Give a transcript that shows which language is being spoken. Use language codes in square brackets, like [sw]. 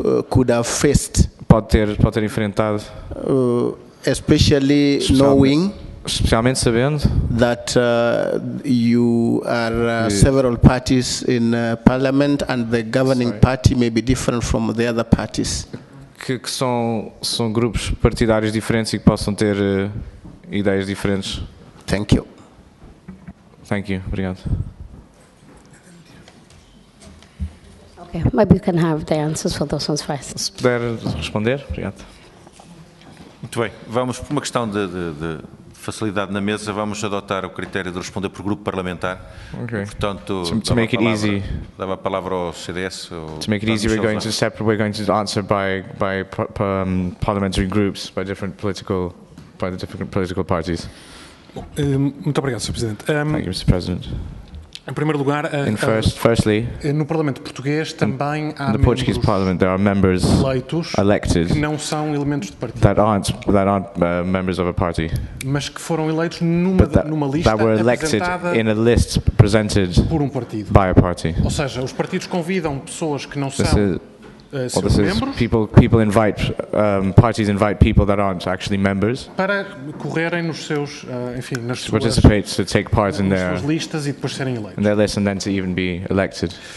[en] could have faced [pt] pode ter enfrentado especialmente sabendo [en] that you are several parties in parliament and the governing party may be different from the other parties. [pt] Que são grupos partidários diferentes e que possam ter ideias diferentes. [en] Thank you. Thank you. Obrigado. Okay, maybe you can have the answers for those ones first. [pt] Se puder responder, obrigado. Muito bem. Vamos, por uma questão de facilidade na mesa, vamos adotar o critério de responder por grupo parlamentar. [en] Okay. [pt] Portanto, [en] to make it easy. [pt] Dava a palavra ao CDS. [en] To make it easy, we're going to answer by parliamentary groups, by the different political parties. [pt] Muito obrigado, Sr. Presidente. [en] Thank you, Mr. President. [pt] Em primeiro lugar, [en] firstly, [pt] no Parlamento Português também há [en] the Portuguese Parliament, there are members [pt] eleitos [en] elected [pt] que não são elementos de partido. [en] That aren't members of a party. [pt] Mas que foram eleitos numa lista [en] that were elected in a list presented [pt] por um partido. [en] By a party. [pt] Ou seja, os partidos convidam pessoas que não são [en] Well, this is people invite parties invite people that aren't actually members [pt] para correrem nos seus, enfim, nas [en] to participate to take part in their [pt] listas e depois serem eleitos. [en] In their list and then to even be elected.